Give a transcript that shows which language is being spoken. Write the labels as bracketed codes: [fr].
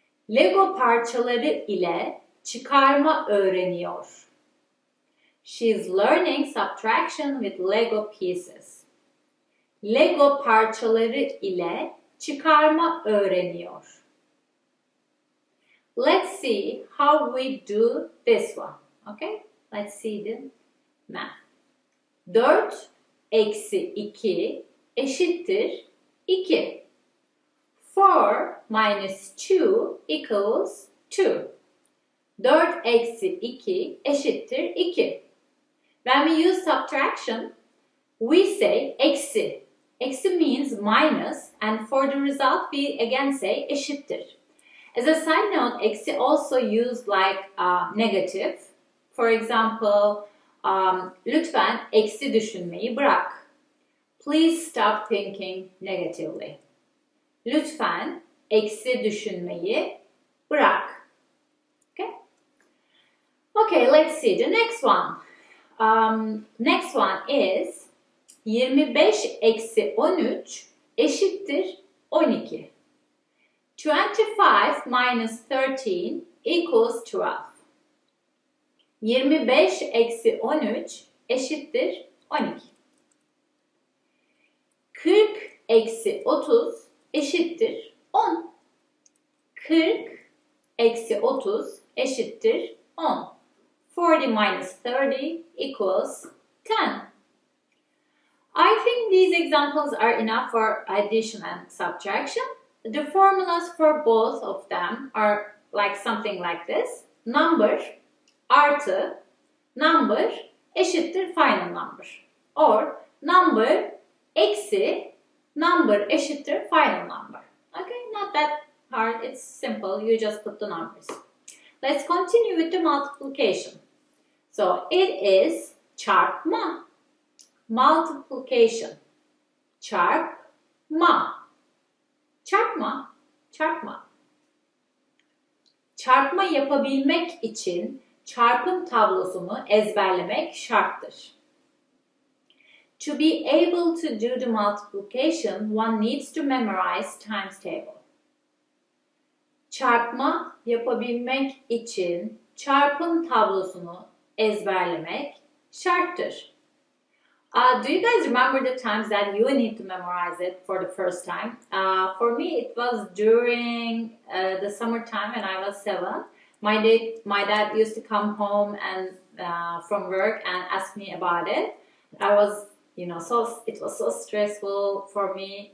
[tr] Lego parçaları ile çıkarma öğreniyor. [en] She's learning subtraction with Lego pieces. [tr] Lego parçaları ile çıkarma öğreniyor. [en] Let's see how we do this one. Okay? Let's see the math. [tr] 4 eksi 2 eşittir 2. [en] 4 minus 2 equals 2. [tr] 4 eksi 2 eşittir 2. [en] When we use subtraction, we say eksi. Eksi means minus, and for the result, we again say eşittir. As a side note, eksi also used like negative. For example, [tr] lütfen eksi düşünmeyi bırak. [en] Please stop thinking negatively. [tr] Lütfen eksi düşünmeyi bırak. [en] Okay? Okay, let's see the next one. Next one is [tr] 25 eksi 13 eşittir 12. [en] 25 minus 13 equals 12. [tr] 25 eksi 13 eşittir 12. 40 eksi 30 eşittir 10. 40 Eksi 30 eşittir 10. [en] 40 minus 30 equals 10. I think these examples are enough for addition and subtraction. The formulas for both of them are like something like this. Number artı number eşittir final number. Or number eksi number eşittir final number. Okay, not that hard. It's simple. You just put the numbers. Let's continue with the multiplication. So it is çarpma. Multiplication. [tr] Çarpma. Çarpma. Çarpma. Çarpma yapabilmek için çarpım tablosunu ezberlemek şarttır. [en] To be able to do the multiplication, one needs to memorize times table. [tr] Çarpma yapabilmek için çarpım tablosunu ezberlemek şarttır. [en] Do you guys remember the times that you need to memorize it for the first time? For me, it was during the summertime when I was 7. My dad used to come home and from work and ask me about it. I was, you know, it was so stressful for me.